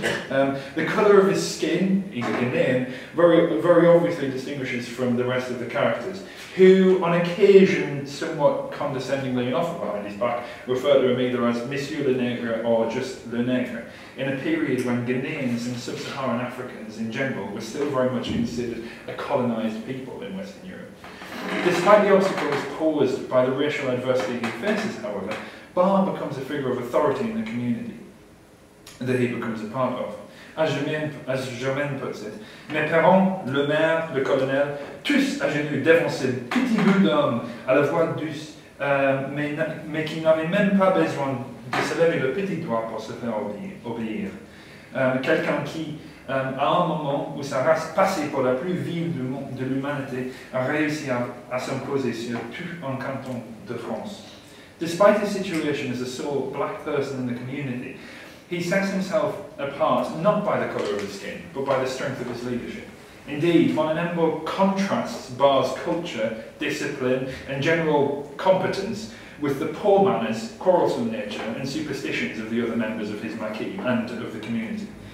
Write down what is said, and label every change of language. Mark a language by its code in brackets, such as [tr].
[en] The colour of his skin, he's a Ghanaian, very obviously distinguishes from the rest of the characters, who on occasion, somewhat condescendingly and often behind his back, refer to him either as Monsieur Le Negre or just Le Negre, in a period when Ghanaians and sub-Saharan Africans in general were still very much considered a colonised people in Western Europe. Despite the obstacles posed by the racial adversity he faces, however, Bar becomes a figure of authority in the community that he becomes a part of. As Germaine puts it, [fr] mes parents, le maire, le colonel, tous à genoux devant ce petit bout d'homme à la voix douce, mais qui n'avait même pas besoin de se lever le petit doigt pour se faire obéir. Quelqu'un qui, à un moment où sa race passait pour la plus vile de l'humanité, a réussi à s'imposer sur tout un canton de France. [en] Despite his situation as the sole black person in the community, he sets himself apart not by the colour of his skin, but by the strength of his leadership. Indeed, Monénembo contrasts Bar's culture, discipline, and general competence with the poor manners, quarrelsome nature, and superstitions of the other members of his maquis and of the community.